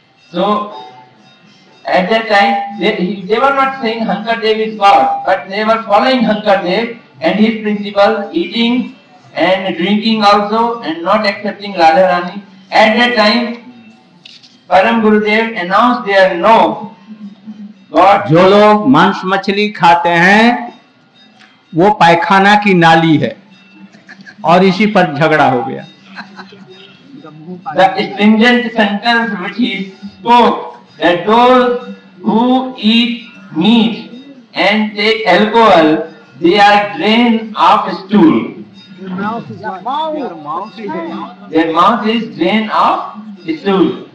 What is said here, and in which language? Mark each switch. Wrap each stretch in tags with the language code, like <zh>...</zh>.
<en>So, at that time, they were not saying Shankardev is God, but they were following Shankardev and his principles, eating and drinking also, and not accepting Radha Rani. At that time, Param Gurudev announced their no. God.</en> <hi>जो लोग मांस मछली खाते हैं वो पैखाना की नाली है और इसी पर झगड़ा हो गया.</hi> <en>The stringent sentence which he spoke that those who eat meat and take alcohol, they are drain of stool. Their mouth is drain of stool.</en>